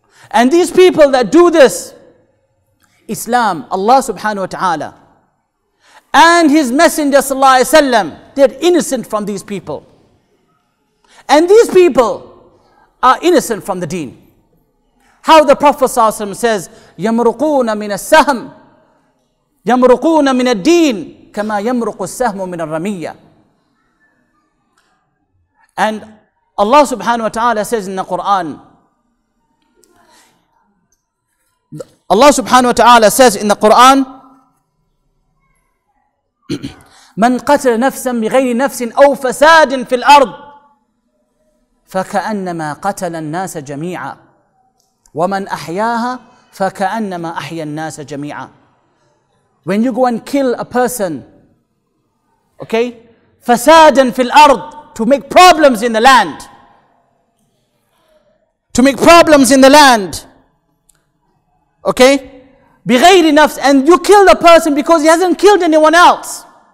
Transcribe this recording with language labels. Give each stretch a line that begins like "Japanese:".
English: And these people that do this, Islam, Allah subhanahu wa ta'ala, and His Messenger sallallahu alayhi wa sallam, they're innocent from these people. And these people are innocent from the deen. How the Prophet sallallahu alayhi wa sallam says,
Arabic: يَمْرُقُونَ مِنَ السَّهْمِ يَمْرُقُونَ مِنَ الدِّينِ كَمَا يَمْرُقُ السَّهْمُ مِنَ الرَّمِيَّةِ.
English: And Allah subhanahu wa ta'ala says in the Quran,
Arabic: Allah subhanahu wa ta'ala says in the Quran, مَنْ قَتْلَ نَفْسًا بِغَيْرِ نَفْسٍ أَوْ فَسَادٍ فِي الْأَرْضِ فَكَأَنَّمَا قَتَلَ النَّاسَ جَمِيعًا وَمَنْ أَحْيَاهَا فَكَأَنَّمَا أَحْيَى النَّاسَ جَمِيعًا.
English: When you go and kill a person, okay,
Arabic: فَسَادًا فِي الْأَرْضِ,
English: to make problems in the land, to make problems in the land, okay,
Arabic: بِغَيْرِ نَفْسٍ,
English: and you kill the person because he hasn't killed anyone else.